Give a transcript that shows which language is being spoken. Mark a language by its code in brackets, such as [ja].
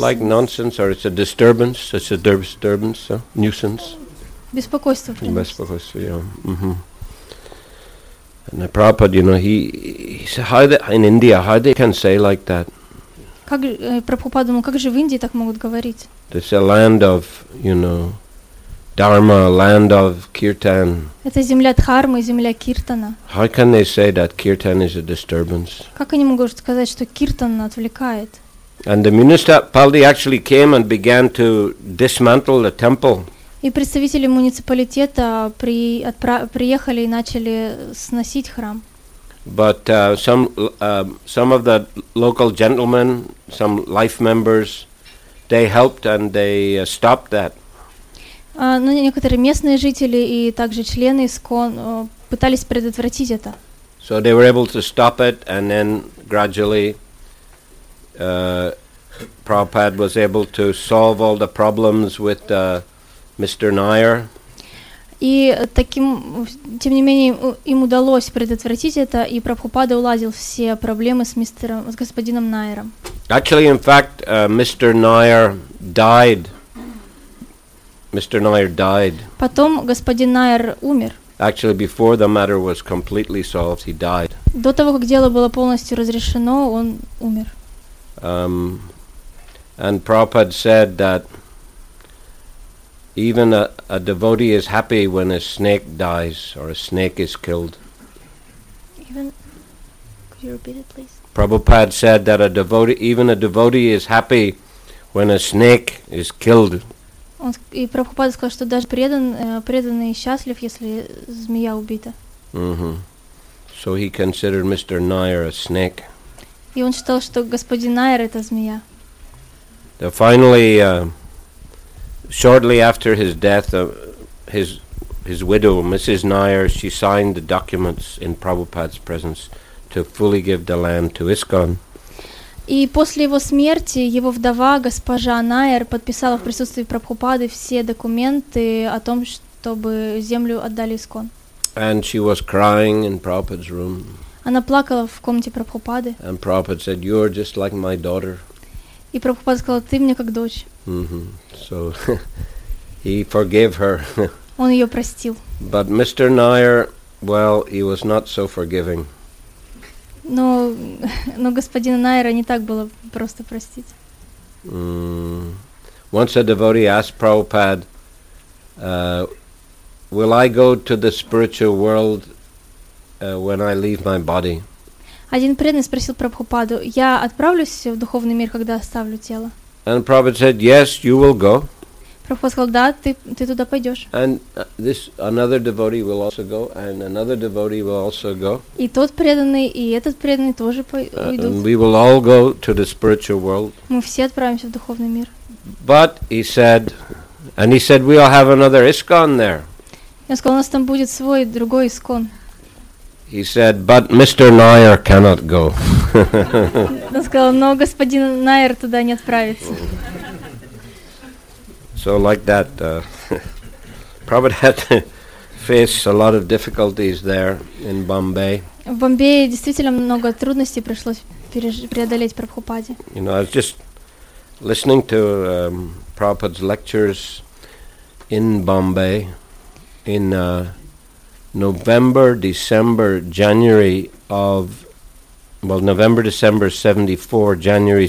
[en] Like nonsense, or it's a disturbance. It's a disturbance. Nuisance. [ru] Беспокойство. Беспокойство. Yeah. Mm-hmm. [en] And the Prabhupada, you know, he how they, in India, how they can say like that? [ru] Как Прабхупада думал, как же в Индии так могут говорить? [en] It's a land of, you know, Dharma, land of Kirtan. [ru] Это земля Дхармы, земля Киртана. [en] How can they say that Kirtan is a disturbance? [ru] Как они могут сказать, что Киртан отвлекает? [en] And the municipality actually came and began to dismantle the temple. [ru] И представители муниципалитета приехали и начали сносить храм. [en] But some of the local gentlemen, some life members, they helped and they stopped that. [ru] Но некоторые местные жители и также члены ИСККОН пытались предотвратить это. [en] So they were able to stop it, and then gradually Prabhupada was able to solve all the problems with Mr. Nair. [ru] И таким, тем не менее, им удалось предотвратить это, и Прабхупада уладил все проблемы с мистером, с господином Найером. [en] Actually, in fact, Mr. Nair died. Mr. Nair died. [ru] Потом господин Найер умер. [en] Actually, before the matter was completely solved, he died. [ru] До того, как дело было полностью разрешено, он умер. [en] And Prabhupada said that even a devotee is happy when a snake dies or a snake is killed. Even, could you repeat it, please? Prabhupada said that a devotee is happy when a snake is killed. [ru] И Прабхупада сказал, что даже преданный счастлив, если змея убита. [en] Mm-hmm. So he considered Mr. Nair a snake. [ru] И он считал, что господин Найер это змея. [en] So finally, shortly after his death, his widow, Mrs. Nair, she signed the documents in Prabhupada's presence to fully give the land to ISKCON. [ru] И после его смерти его вдова, госпожа Найер, подписала в присутствии Прабхупады все документы о том, чтобы землю отдали ИСККОН. [en] And she was crying in Prabhupada's room. [ru] Она плакала в комнате Прабхупады. [en] And Prabhupada said, "You're just like my daughter." [ru] И Прабхупада сказал, ты мне как дочь. [en] Mm-hmm. So he forgave her. [ru] Он ее простил. [en] But Mr. Nair, well, he was not so forgiving. [ru] Но господина Найера не так было просто простить. [en] Once a devotee asked Prabhupada, "Will I go to the spiritual world when I leave my body?" [ru] Один преданный спросил Прабхупаду, я отправлюсь в духовный мир, когда оставлю тело? [en] And Prabhupada said, yes, you will go. [ru] Прабхупада сказал, да, ты туда пойдешь. [en] And this another devotee will also go, and another devotee will also go. [ru] И тот преданный, и этот преданный тоже уйдут. [en] And we will all go to the spiritual world. [ru] Мы все отправимся в духовный мир. [en] But he said, and he said, we'll have another ISKCON there. [ru] Я сказал, у нас там будет свой другой ИСККОН. [en] He said, but Mr. Nair cannot go. [ru] Он сказал, но господин Найер туда не отправится. [en] So like that, Prabhupada had to face a lot of difficulties there in Bombay. [ru] В Бомбее действительно много трудностей пришлось преодолеть Прабхупаде. [en] You know, I was just listening to Prabhupada's lectures in Bombay. in November, December, January of, well, November, December 74, January